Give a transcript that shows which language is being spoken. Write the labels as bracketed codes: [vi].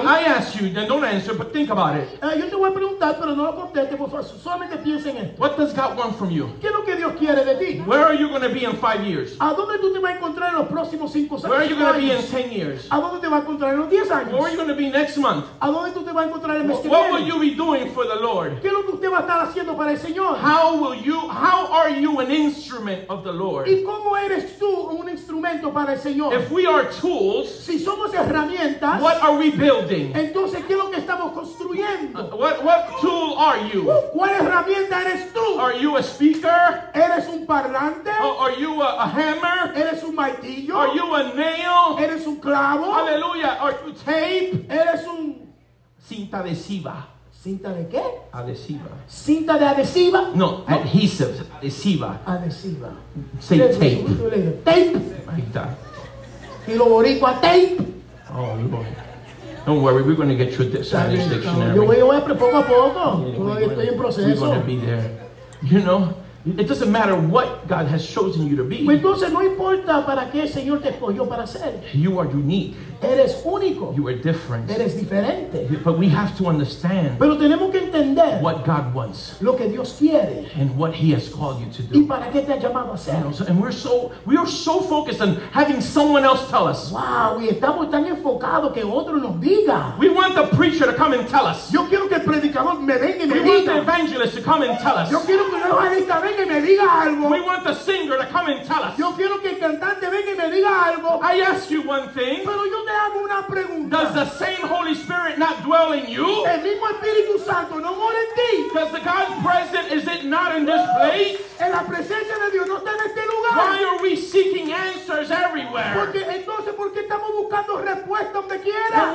[en] I ask you, then don't answer, but think about it. [es] Yo te voy a preguntar, pero no lo conteste, por favor. Solamente piensa en esto. [en] What does God want from you? [es] ¿Qué es lo que Dios quiere de ti? [en] Where are you going to be in 5 years? [es] ¿A dónde tú te vas a encontrar en los próximos 5 años? [en] Where are you going to be in 10 years? [es] ¿A dónde te vas a encontrar en los 10 años? [en] Where are you going to be next month? [es] ¿A dónde tú te vas a encontrar en [en] What will you be doing for the Lord? [es] ¿Qué es lo que usted va a estar haciendo para el Señor? [en] How will you? How are you an instrument of the Lord? [es] ¿Y cómo eres tú un instrumento para el Señor? [en] If we are tools, [es] si somos herramientas, [en] what are we building? [es] Entonces, ¿qué es lo que estamos construyendo? [en] What tool are you? [es] ¿Cuál herramienta eres tú? [en] Are you a speaker? [es] ¿Eres un parlante? [en] Are you a hammer? [es] ¿Eres un martillo? [en] Are you a nail? [es] ¿Eres un clavo? [en] Hallelujah. Are you tape? [es] ¿Eres un cinta adhesiva? ¿Cinta de qué? Adhesiva. ¿Cinta de adhesiva? No, adhesive. Adhesiva. Adhesiva. [en] Say tape. Tape. Like that. [es] Y lo boricua tape. [en] Oh, Lord. Don't worry, we're going to get you a Spanish dictionary. [es] Yo voy a poco a poco. Todavía estoy en proceso. [en] We're going to be there. You know? It doesn't matter what God has chosen you to be. [es] Entonces no importa para qué el Señor te escogió para ser. [en] You are unique. [es] Eres único. [en] You are different. [es] Eres diferente. [en] But we have to understand. [es] Pero tenemos que entender. [en] What God wants. [es] Lo que Dios quiere. [en] And what He has called you to do. [es] Y para qué te ha llamado a ser. [en] You know, and we are so focused on having someone else tell us. [es] Wow, y estamos tan enfocados que otro nos diga. [en] We want the preacher to come and tell us. [es] Yo quiero que el predicador me venga y me diga. [en] We want the evangelist to come and tell us. [es] Yo quiero que el evangelista venga y me diga algo. [en] We want the singer to come and tell us. [es] Yo quiero que el cantante venga y me diga algo. [en] I ask you one thing. [es] Pero yo te hago una pregunta. [en] Does the same Holy Spirit not dwell in you? [es] El mismo Espíritu Santo no mora en ti. [en] Does the God present, is it not in this place? [es] En la presencia de Dios no está en este lugar. [en] Why are we seeking answers everywhere? [es] Porque entonces, ¿por qué estamos buscando respuestas donde quiera?